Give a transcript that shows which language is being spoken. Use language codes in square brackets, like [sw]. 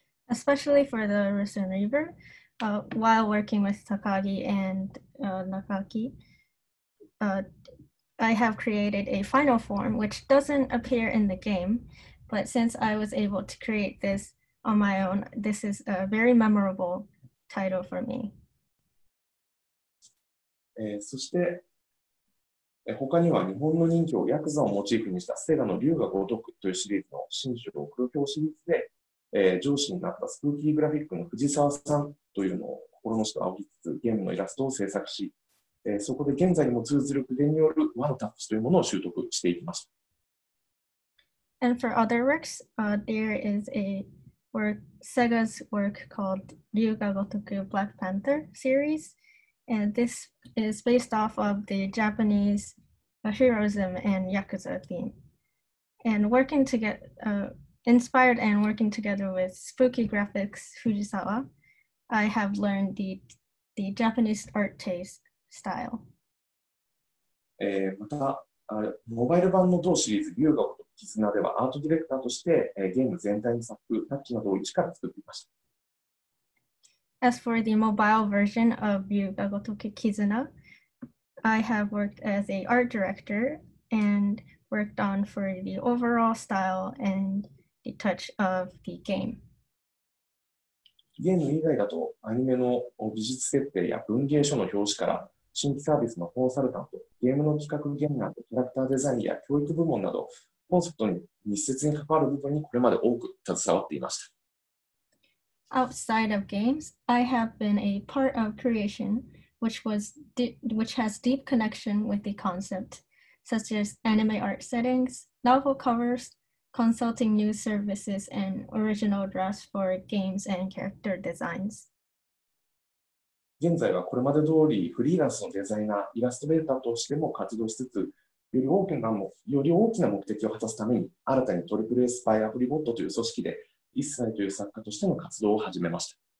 [en] Especially for the Rusen Reaver, while working with Takagi and Nakaki, I have created a final form which doesn't appear in the game, but since I was able to create this on my own, this is a very memorable title for me. [ja] そして、他には日本の人気をヤクザをモチーフにしたセガの龍が如くというシリーズの新種の黒鏡シリーズで、上司になったスプーキーグラフィックの藤沢さんというのを心の師と仰ぎつつゲームのイラストを制作し、そこで現在にも通ずる筆によるワンタッチというものを習得していきました。 [en] And for other works, there is a work, Sega's work called 龍が如く Black Panther series. And this is based off of the Japanese heroism and Yakuza theme. And working together, inspired and working together with Spooky Graphics Fujisawa, I have learned the Japanese art taste style. [ja] また、モバイル版の同シリーズ、龍が如く絆ではアートディレクターとして、ゲーム全体の作風、タッチなどを一から作っていました。 [en] As for the mobile version of Ryuga Gotoku Kizuna, I have worked as an art director and worked on for the overall style and the touch of the game. [ja] ゲーム以外だとアニメの美術設定や文芸書の表紙から新規サービスのコンサルタント、ゲームの企画ゲームなどキャラクターデザインや教育部門などコンセプトに密接に関わる部分にこれまで多く携わっていました。 [en] Outside of games, I have been a part of creation, which has deep connection with the concept, such as anime art settings, novel covers, consulting new services, and original drafts for games and character designs. [ja] 現在はこれまで通りフリーランスのデザイナー、イラストレーターとしても活動しつつ、より大きな目的を果たすために、新たに AAA スパイアフリボットという組織で、一切という作家としての活動を始めました。